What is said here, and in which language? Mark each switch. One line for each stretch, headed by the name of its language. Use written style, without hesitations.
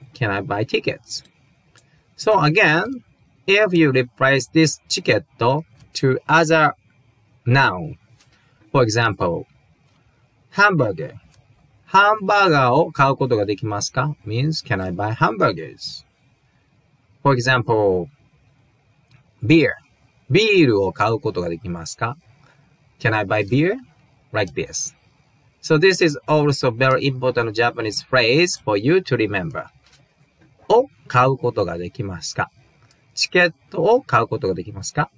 English: Can I buy tickets? So, again, if you replace this チケット to other noun, for example, hamburger.
Japanese: ハンバーガーを買うことができますか?
English: Means, can I buy hamburgers? For example, beer.
Japanese: ビールを買うことができますか?
English: Can I buy beer? Like this. So this is also very important Japanese phrase for you to remember.
Japanese: を買うことができますか?チケットを買うことができますか?